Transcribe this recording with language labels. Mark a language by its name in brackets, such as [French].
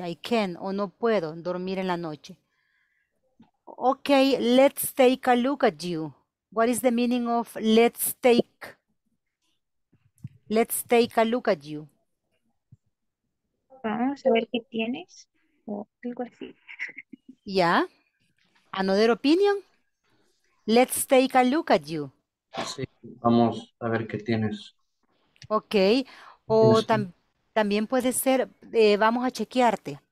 [English] I can [Spanish] o no puedo dormir en la noche. [English] Okay, let's take a look at you. What is the meaning of let's take a look at you? [Spanish] Vamos a ver qué tienes o algo así. [English] Yeah, another opinion. Let's take a look at you. [Spanish] Sí, vamos a ver qué tienes. Okay, o también puede ser vamos a chequearte.